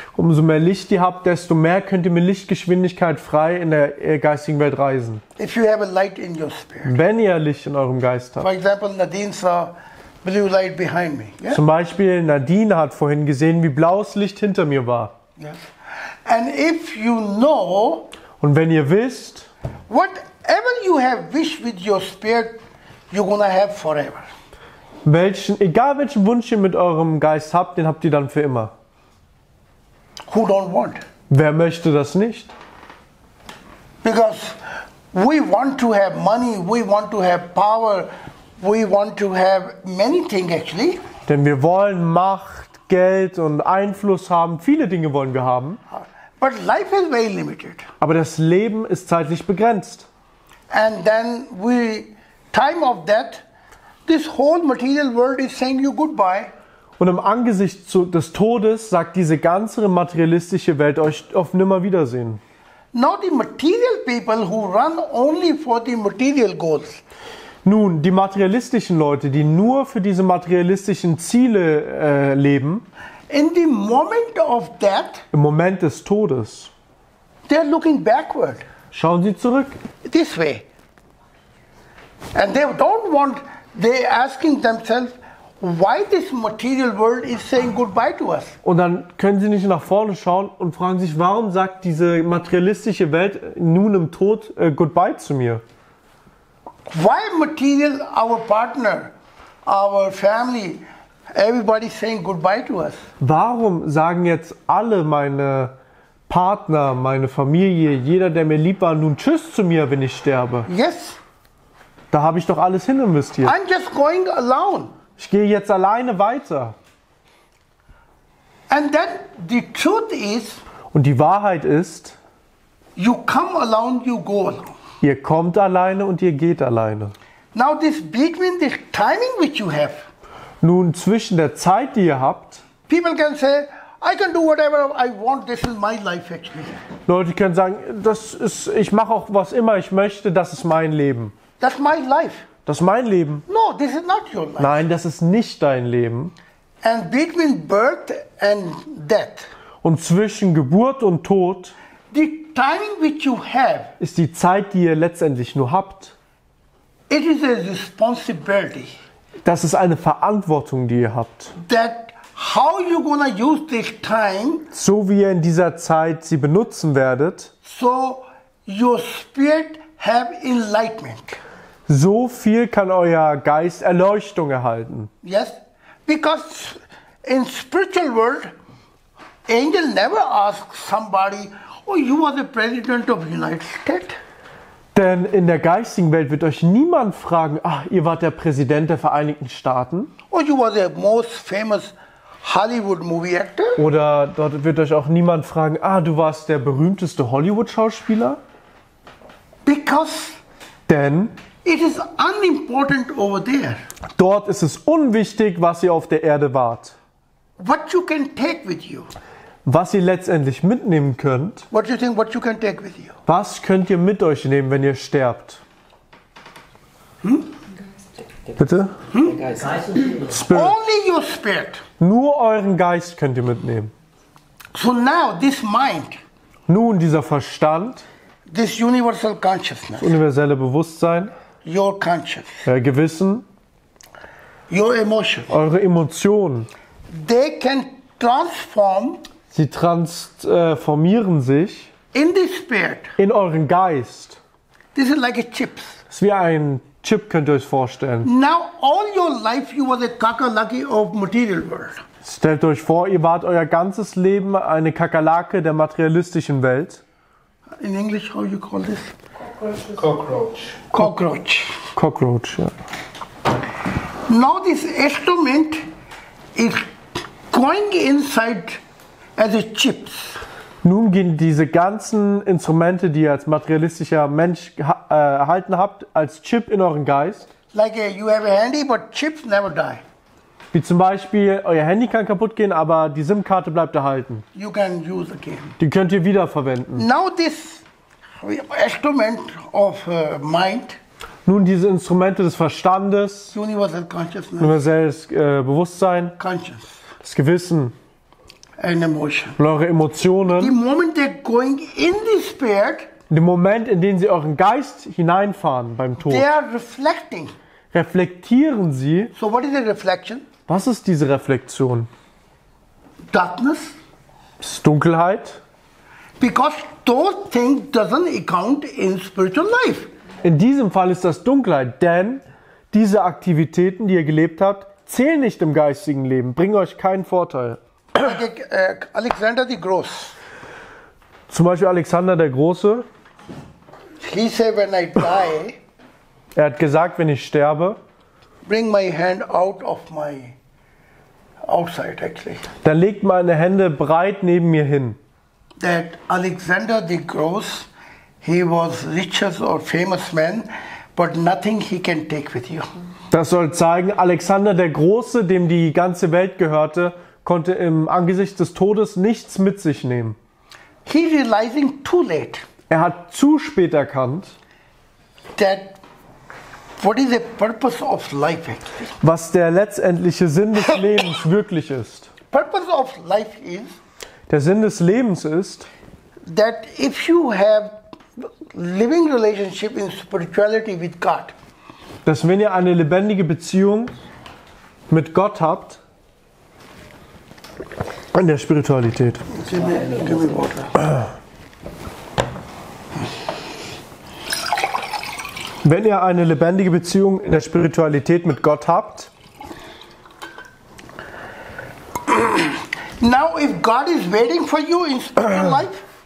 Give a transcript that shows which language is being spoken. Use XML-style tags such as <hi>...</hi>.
<de>Umso mehr Licht ihr habt, desto mehr könnt ihr mit Lichtgeschwindigkeit frei in der geistigen Welt reisen.</de> <en>If you have a light in your spirit.</en> <de>Wenn ihr Licht in eurem Geist habt.</de> <en>For example, Nadine saw blue light behind me. Yeah?</en> <de>Zum Beispiel Nadine hat vorhin gesehen, wie blaues Licht hinter mir war.</de> <en>Yes. And if you know.</en> <de>Und wenn ihr wisst,</de> <en>whatever you have wished with your spirit, you're gonna have forever.</en> <de>Egal welchen Wunsch ihr mit eurem Geist habt, den habt ihr dann für immer.</de> <en>Who don't want?</en> <de>Wer möchte das nicht?</de> <en>Because we want to have money, we want to have power, we want to have many things actually.</en> <de>Denn wir wollen Macht, Geld und Einfluss haben. Viele Dinge wollen wir haben.</de> <en>But life is very limited.</en> <de>Aber das Leben ist zeitlich begrenzt.</de> <en>And then we time of death, this whole material world is saying you goodbye.</en> <de>Und im Angesicht des Todes sagt diese ganze materialistische Welt euch auf Nimmerwiedersehen.</de> <en>Now the material people who run only for the material goals.</en> <de>Nun, die materialistischen Leute, die nur für diese materialistischen Ziele leben.</de> <en>In the moment of death,</en> <de>im Moment des Todes,</de> <en>they're looking backward.</en> <de>Schauen sie zurück.</de> <en>This way. And they don't want, they're asking themselves, why this material world is saying goodbye to us.</en> <de>Und dann können sie nicht nach vorne schauen und fragen sich, warum sagt diese materialistische Welt nun im Tod goodbye zu mir?</de> <en>Why material, our partner, our family, everybody saying goodbye to us.</en> <de>Warum sagen jetzt alle meine Partner, meine Familie, jeder, der mir lieb war, nun tschüss zu mir, wenn ich sterbe?</de> <en>Yes.</en> <de>Da habe ich doch alles hininvestiert.</de> <en>I'm just going alone.</en> <de>Ich gehe jetzt alleine weiter.</de> <en>And then the truth is.</en> <de>Und die Wahrheit ist.</de> <en>You come alone, you go alone.</en> <de>Ihr kommt alleine und ihr geht alleine.</de> <en>Now this between the timing which you have.</en> <de>Nun, zwischen der Zeit, die ihr habt.</de> <en>People can say, I can do whatever I want, this is my life actually.</en> <de>Leute können sagen, das ist, ich mache auch was immer ich möchte, das ist mein Leben.</de> <en>That's my life.</en> <de>Das ist mein Leben.</de> <en>No, this is not your life.</en> <de>Nein, das ist nicht dein Leben.</de> <en>And between birth and death.</en> <de>Und zwischen Geburt und Tod.</de> <en>The timing which you have.</en> <de>Ist die Zeit, die ihr letztendlich nur habt.</de> <en>It is a responsibility.</en> <de>Das ist eine Verantwortung, die ihr habt.</de> <en>That how you gonna use this time,</en> <de>so wie ihr in dieser Zeit sie benutzen werdet,</de> <en>so your spirit have enlightenment.</en> <de>So viel kann euer Geist Erleuchtung erhalten.</de> <en>Yes, because in spiritual world, angel never asks somebody, oh, you are the president of the United States.</en> <de>Denn in der geistigen Welt wird euch niemand fragen, ach, ihr wart der Präsident der Vereinigten Staaten.</de> <en>Or you were the most famous Hollywood movie actor.</en> <de>Oder dort wird euch auch niemand fragen, ah, du warst der berühmteste Hollywood-Schauspieler.</de> <en>Because</en> <de>denn</de> <en>it is unimportant over there.</en> <de>Dort ist es unwichtig, was ihr auf der Erde wart.</de> <en>What you can take with you.</en> <de>Was ihr letztendlich mitnehmen könnt.</de> <en>What do you think, what you can take with you?</en> <de>Was könnt ihr mit euch nehmen, wenn ihr sterbt? Hm? Bitte?</de> <en>Hm? Geist. Spirit. Only your spirit.</en> <de>Nur euren Geist könnt ihr mitnehmen.</de> <en>So now, this mind.</en> <de>Nun, dieser Verstand.</de> <en>This universal consciousness.</en> <de>Das universelle Bewusstsein.</de> <en>Your conscience.</en> <de>Gewissen.</de> <en>Your emotion.</en> <de>Eure Emotionen.</de> <en>They can transform.</en> <de>Sie transformieren sich</de> <en>in the spirit.</en> <de>In euren Geist.</de> <en>This is like a chip. Es</en> <de>ist wie ein Chip, könnt ihr euch vorstellen.</de> <en>Now all your life you were the kakalaki of material world.</en> <de>Stellt euch vor, ihr wart euer ganzes Leben eine Kakerlake der materialistischen Welt.</de> <en>In English, how you call this? Cockroach.</en> <de>Cockroach, ja.</de> <en>Now this instrument is going inside as a chips.</en> <de>Nun gehen diese ganzen Instrumente, die ihr als materialistischer Mensch erhalten habt, als Chip in euren Geist.</de> <en>Like you have a handy, but chips never die.</en> <de>Wie zum Beispiel, euer Handy kann kaputt gehen, aber die SIM-Karte bleibt erhalten.</de> <en>You can use again.</en> <de>Die könnt ihr wiederverwenden.</de> <en>Now this instrument of mind.</en> <de>Nun diese Instrumente des Verstandes.</de> <en>Universal consciousness.</en> <de>Universelles Bewusstsein.</de> <en>Conscious.</en> <de>Das Gewissen.</de> <en>And emotion.</en> <de>Und eure Emotionen.</de> <en>The moment they're going in the spirit.</en> <de>Der Moment, in dem sie euren Geist hineinfahren beim Tod.</de> <en>They are reflecting.</en> <de>Reflektieren sie.</de> <en>So what is the reflection?</en> <de>Was ist diese Reflexion?</de> <en>Darkness.</en> <de>Das ist Dunkelheit.</de> <en>Because those things doesn't account in spiritual life.</en> <de>In diesem Fall ist das Dunkelheit, denn diese Aktivitäten, die ihr gelebt habt, zählen nicht im geistigen Leben, bringen euch keinen Vorteil.</de> <en>Alexander the Gross.</en> <de>Zum Beispiel Alexander der Große.</de> <en>He said, when I die.</en> <de>Er hat gesagt, wenn ich sterbe,</de> <en>bring my hand out of my outside actually.</en> <de>Dann legt meine Hände breit neben mir hin.</de> <en>That Alexander the Gross, he was richer or famous man, but nothing he can take with you.</en> <de>Das soll zeigen, Alexander der Große, dem die ganze Welt gehörte, konnte im Angesicht des Todes nichts mit sich nehmen.</de> <en>He realizing too late.</en> <de>Er hat zu spät erkannt,</de> <en>that what is the purpose of life actually?</en> <de>Was der letztendliche Sinn des Lebens wirklich ist.</de> <en>Purpose of life is,</en> <de>der Sinn des Lebens ist,</de> <en>that if you have living relationship in spirituality with God,</en> <de>dass wenn ihr eine lebendige Beziehung mit Gott habt, in der Spiritualität. Wenn ihr eine lebendige Beziehung in der Spiritualität mit Gott habt.</de> <en>Now if God is waiting for you in spiritual life.</en>